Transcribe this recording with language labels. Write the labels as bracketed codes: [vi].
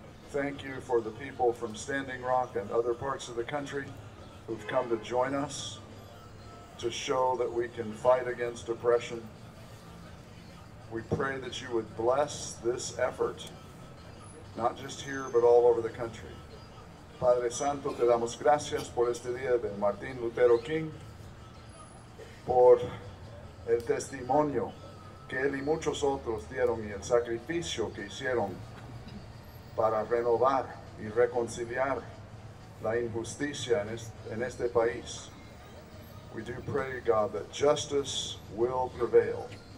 [en] Thank you for the people from Standing Rock and other parts of the country who've come to join us to show that we can fight against oppression. We pray that you would bless this effort, not just here, but all over the country. [es] Padre Santo, te damos gracias por este día de Martin Luther King, por el testimonio que él y muchos otros dieron y el sacrificio que hicieron para renovar y reconciliar la injusticia en este país. [en] We do pray, God, that justice will prevail.